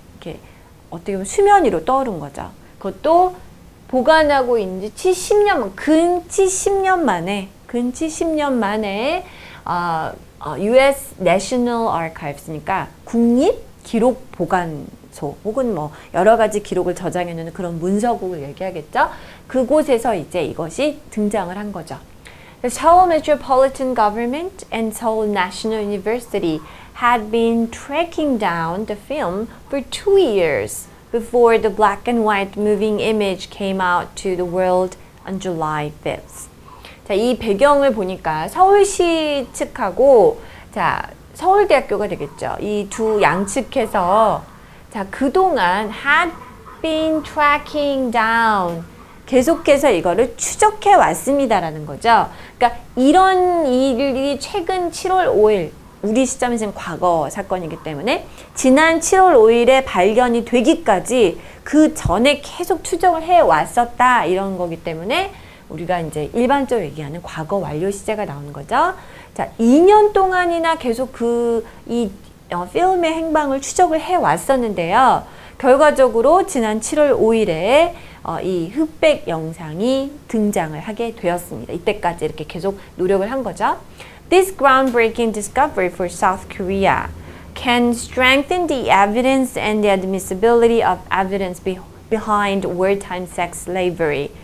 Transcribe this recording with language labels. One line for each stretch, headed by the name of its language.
Korean: 이렇게 어떻게 보면 수면 위로 떠오른 거죠. 그것도 보관하고 있는지 70년, 근 70년 만에, 근 70년 만에, U.S. National Archives니까 국립 기록 보관소 혹은 뭐 여러 가지 기록을 저장해놓는 그런 문서국을 얘기하겠죠. 그곳에서 이제 이것이 등장을 한 거죠.
English: The Seoul Metropolitan Government and Seoul National University had been tracking down the film for 2 years before the black and white moving image came out to the world on July 5th.
Korean: 자, 이 배경을 보니까 서울시 측하고, 자, 서울대학교가 되겠죠. 이 두 양측에서, 자, 그동안
English: had been tracking down.
Korean: 계속해서 이거를 추적해 왔습니다라는 거죠. 그러니까 이런 일이 최근 7월 5일, 우리 시점이 지금 과거 사건이기 때문에, 지난 7월 5일에 발견이 되기까지 그 전에 계속 추적을 해 왔었다, 이런 거기 때문에, 우리가 이제 일반적으로 얘기하는 과거 완료 시제가 나오는 거죠. 자, 2년 동안이나 계속 그 이 필름의 행방을 추적을 해 왔었는데요. 결과적으로 지난 7월 5일에 이 흑백 영상이 등장을 하게 되었습니다. 이때까지 이렇게 계속 노력을 한 거죠.
English: This groundbreaking discovery for South Korea can strengthen the evidence and the admissibility of evidence behind wartime sex slavery.